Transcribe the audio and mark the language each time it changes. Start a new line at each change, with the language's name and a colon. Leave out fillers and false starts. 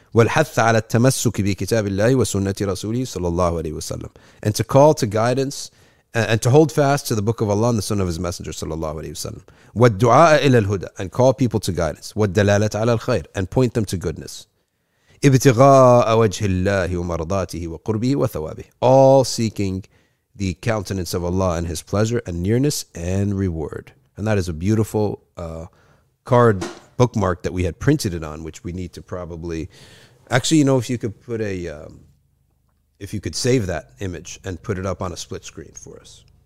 Arabic: والحث على التمسك بكتاب الله وسنة رسوله صلى الله عليه وسلم.
English: And to call to guidance and to hold fast to the book of Allah and the sunnah of his messenger صلى الله عليه وسلم.
Arabic: والدعاء إلى الهدى.
English: And call people to guidance.
Arabic: والدلالة على الخير.
English: And point them to goodness.
Arabic: ابتغاء وجه الله ومرضاته وقربه وثوابه.
English: All seeking the countenance of Allah and his pleasure and nearness and reward. And that is a beautiful card bookmark that we had printed it on, which we need to probably actually, you know, if you could put a if you could save that image and put it up on a split screen for us.